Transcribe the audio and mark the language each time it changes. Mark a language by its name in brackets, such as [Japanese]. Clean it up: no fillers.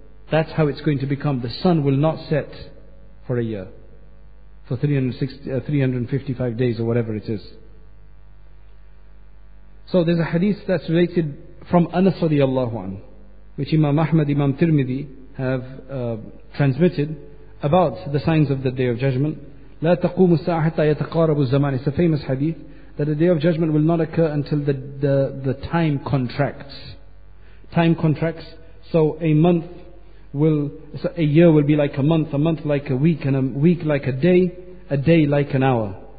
[English] That's how it's going to become. The sun will not set for a year, for 355 days or whatever it is. So there's a hadith that's related from Anas radiallahu anhu, which Imam Ahmad, Imam Tirmidhi have transmitted about the signs of the Day of Judgment. [Arabic] لا تقوم الساعة حتى يتقارب الزمان. [English] It's a famous hadith that the day of judgment will not occur until the time contracts. Time contracts. So a month will, so a year will be like a month like a week, and a week like a day like an hour.